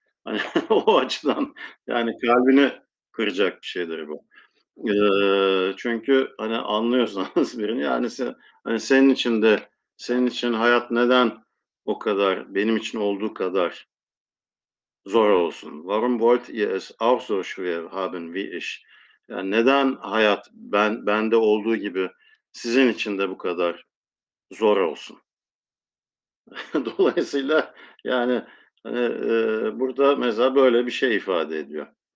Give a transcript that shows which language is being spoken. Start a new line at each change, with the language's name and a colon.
Turkish: Hani o açıdan yani kalbini kıracak bir şeydir bu. Çünkü hani anlıyorsanız birini yani hani senin için hayat neden o kadar benim için olduğu kadar zor olsun.
German: Warum wollt ihr es auch so schwer haben wie ich?
Turkish: Yani neden hayat bende olduğu gibi sizin için de bu kadar zor olsun? Dolayısıyla yani hani, burada mesela böyle bir şey ifade ediyor.